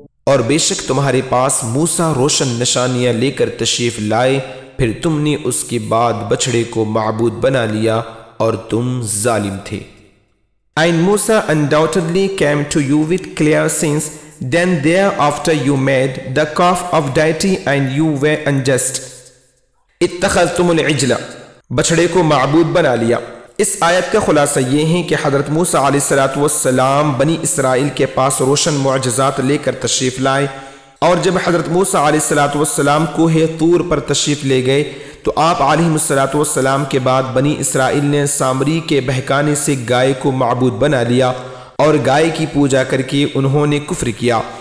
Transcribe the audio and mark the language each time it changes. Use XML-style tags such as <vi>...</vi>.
<ur>اور بے شک تمہارے پاس موسیٰ روشن نشانیاں لے کر تشریف لائے، پھر تم نے اس کے بعد بچھڑے کو معبود بنا لیا اور تم ظالم تھے.</ur> <en>And Musa undoubtedly came to you with clear sense, then thereafter you made the calf of deity and you were unjust.</en> <ar>اتخذتم العجل،</ar> <ur>بچھڑے کو معبود بنا لیا. اس آیت کا خلاصہ یہ ہے کہ حضرت موسیٰ علیہ الصلوۃ والسلام بنی اسرائیل کے پاس روشن معجزات لے کر تشریف لائے، اور جب حضرت موسیٰ علیہ الصلوۃ والسلام کوہ طور پر تشریف لے گئے تو آپ علیہ الصلوۃ والسلام کے بعد بنی اسرائیل نے سامری کے بہکانے سے گائے کو معبود بنا لیا اور گائے کی پوجا کر کے انہوں نے کفر کیا.</ur>